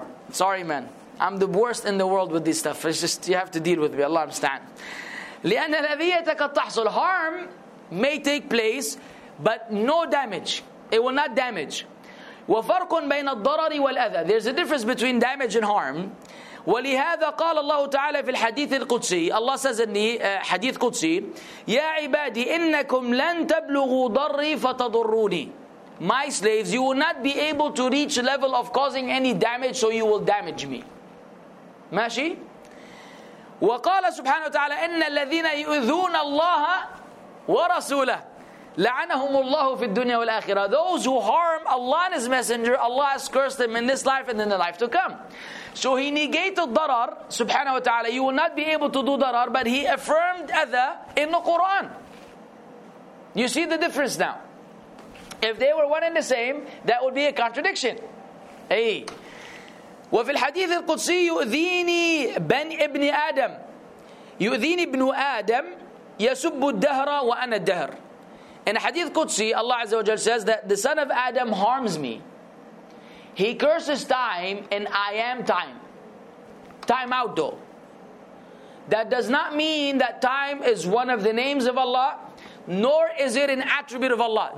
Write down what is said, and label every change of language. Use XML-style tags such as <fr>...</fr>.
<en>Sorry, man. I'm the worst in the world with this stuff. It's just, you have to deal with me. Allah understand.</en> <ar>لأن أذيتك تحصل.</ar> <en>Harm may take place, but no damage. It will not damage.</en> <ar>وفرق بين الضرر والأذى.</ar> <en>There's a difference between damage and harm.</en> <ar>ولهذا قال الله تعالى في الحديث القدسي.</ar> <en>Allah says in the حديث قدسي.</en> <ar>يا عبادي إنكم لن تبلغوا ضري فتضروني.</ar> <en>My slaves, you will not be able to reach the level of causing any damage, so you will damage me.</en> <ar>ماشي؟ وقال سبحانه وتعالى إن الذين يؤذون الله ورسوله لعنهم الله في الدنيا والآخرة.</ar> <en>Those who harm Allah and His Messenger, Allah has cursed them in this life and in the life to come. So he negated darar,</en> <ar>سبحانه وتعالى.</ar> <en>You will not be able to do darar, but he affirmed adha in the Quran. You see the difference now. If they were one and the same, that would be a contradiction. Hey.</en> <ar>وفي الحديث القدسي يؤذيني بن ابن آدم يؤذيني ابن آدم يسب الدهر وأنا الدهر.</ar> <en>In a hadith Qudsi, Allah Azza wa Jal says that the son of Adam harms me. He curses time and I am time. Time out though. That does not mean that time is one of the names of Allah, nor is it an attribute of Allah.</en>